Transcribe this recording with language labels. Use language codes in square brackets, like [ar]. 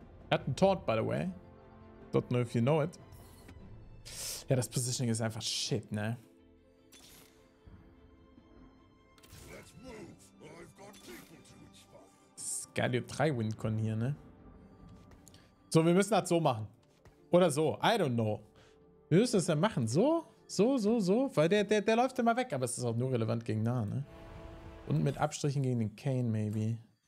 [de] Er hat einen Taunt, [en] by the way. Don't know if you know it. [de] Ja, das Positioning ist einfach shit, ne? [en] Let's move. I've got people to inspire. [de] Scalio 3 Wincon hier, ne? So, wir müssen das so machen. Oder so. [en] I don't know. [de] Wir müssen das dann machen. So? So, so, so? Weil der läuft immer weg. Aber es ist auch nur relevant gegen Nah, ne? Und mit Abstrichen gegen den Kane, maybe.